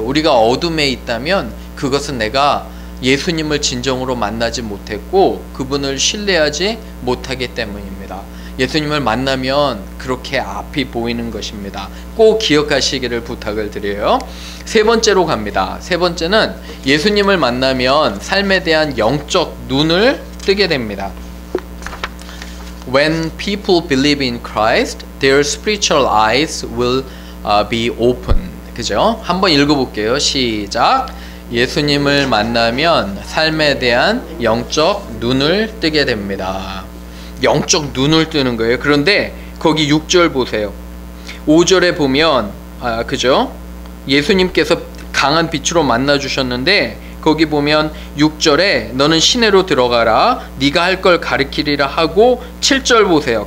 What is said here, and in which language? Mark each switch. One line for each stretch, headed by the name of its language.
Korean: 우리가 어둠에 있다면 그것은 내가 예수님을 진정으로 만나지 못했고 그분을 신뢰하지 못하기 때문입니다. 예수님을 만나면 그렇게 앞이 보이는 것입니다. 꼭 기억하시기를 부탁을 드려요. 세 번째로 갑니다. 세 번째는 예수님을 만나면 삶에 대한 영적 눈을 뜨게 됩니다.
English: When people believe in Christ, their spiritual eyes will be open.
Korean: 그죠? 한번 읽어볼게요. 시작. 예수님을 만나면 삶에 대한 영적 눈을 뜨게 됩니다. 영적 눈을 뜨는 거예요. 그런데 거기 6절 보세요. 5절에 보면 그죠? 예수님께서 강한 빛으로 만나주셨는데 거기 보면 6절에 너는 시내로 들어가라, 네가 할 걸 가르치리라 하고, 7절 보세요.